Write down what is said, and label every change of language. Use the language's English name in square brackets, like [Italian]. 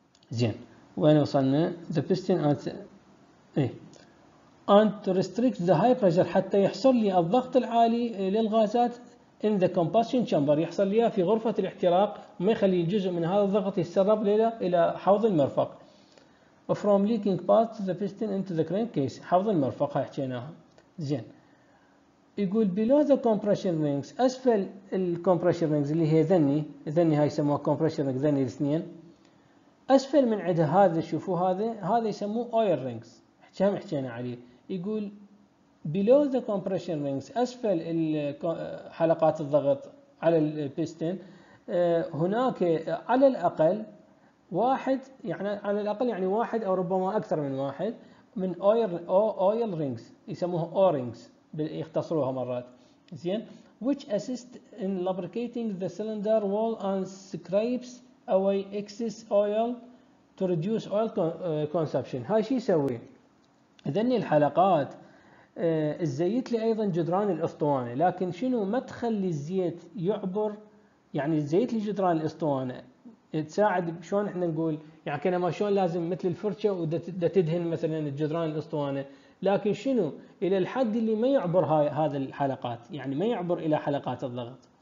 [Arabic] زين، وين وصلنا؟ [English] the piston and to restrict the high pressure، [Arabic] حتى يحصل لي الضغط العالي للغازات [English] in the combustion chamber، [Arabic] يحصل ليها في غرفة الاحتراق، ما يخلي جزء من هذا الضغط يتسرب إلى حوض المرفق. [English] from leaking past the piston into the crankcase، [Arabic] حوض المرفق هاي حكيناها. زين، يقول [English] below the compression rings، [Arabic] أسفل الcompression rings اللي هي ذني هاي يسموها compression rings، ذني الاثنين اسفل من عده، هذا شوفوا هذا يسموه اويل رينجز، كم حكينا عليه. يقول [English] below the compression rings، [Arabic] اسفل حلقات الضغط على البيستن، هناك على الاقل واحد، يعني على الاقل يعني واحد او ربما اكثر من واحد من اويل رينجز، يسموه او رينجز يختصروها مرات. [English] زين، which assist in lubricating the cylinder wall and scrapes away excess oil to reduce oil consumption. [Arabic] هاي شي يسوي؟ ذني الحلقات الزيت لي ايضا جدران الاسطوانة، لكن شنو؟ ما تخلي الزيت يعبر، يعني الزيت لجدران الاسطوانة تساعد شلون احنا نقول، يعني كأنما شلون لازم مثل الفرشة وده تدهن مثلا الجدران الاسطوانة، لكن شنو؟ الى الحد اللي ما يعبر هذا الحلقات، يعني ما يعبر الى حلقات الضغط.